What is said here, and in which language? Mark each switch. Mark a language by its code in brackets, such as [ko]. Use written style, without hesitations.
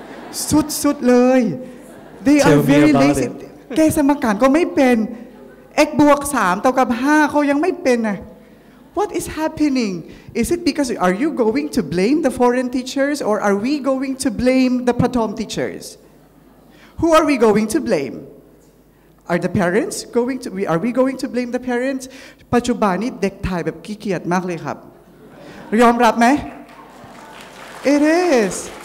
[th] Sut เลย [en] they are very lazy [th] แก้สมการก็ไม่เป็น x บวก3เท่ากับ5เขายังไม่เป็นอ่ะ [en] What is happening? Is it because are you going to blame the foreign teachers or are we going to blame the Pathom teachers? Who are we going to blame? Are the parents going to are we going to blame the parents? [th] ปัจจุบันนี้เด็กไทยแบบขี้เกียจมากเลยครับยอมรับไหม [en] It is.